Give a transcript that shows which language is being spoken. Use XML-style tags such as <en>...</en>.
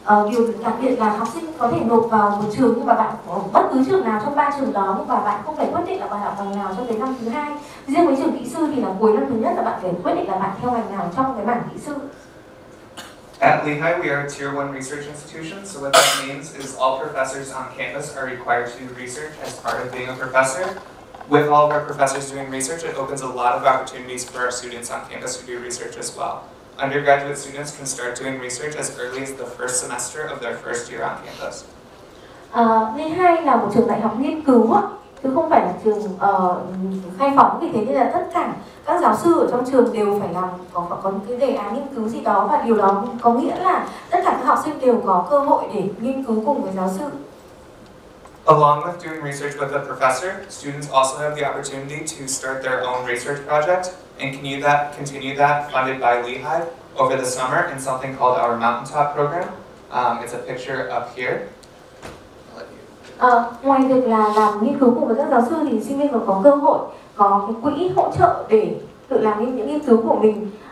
<vi>Điều đặc biệt là học sinh có thể nộp vào một trường, nhưng mà bạn bất cứ trường nào trong 3 trường đó, nhưng mà bạn không phải quyết định là bạn học ngành nào trong cái năm thứ 2. Riêng với trường kỹ sư thì là cuối năm thứ nhất là bạn phải quyết định là bạn theo ngành nào trong cái mảng kỹ sư.</vi> <en>At Lehigh, we are a tier 1 research institution, so what that means is all professors on campus are required to do research as part of being a professor. With all of our professors doing research, it opens a lot of opportunities for our students on campus to do research as well. Undergraduate students can start doing research as early as the first semester of their first year on campus.</en> <vi>Lehigh là một trường đại học nghiên cứu, chứ không phải là trường khai phóng. Vì thế nên là tất cả các giáo sư ở trong trường đều phải làm có những cái đề án nghiên cứu gì đó, và điều đó có nghĩa là tất cả các học sinh đều có cơ hội để nghiên cứu cùng với giáo sư.</vi> <en>Along with doing research with a professor, students also have the opportunity to start their own research project and continue that funded by Lehigh over the summer in something called our Mountaintop program. It's a picture up here.</en> <vi>Ngoài việc là làm nghiên cứu cùng với các giáo sư thì sinh viên còn có cơ hội có cái quỹ hỗ trợ để tự làm những nghiên cứu của mình.</vi>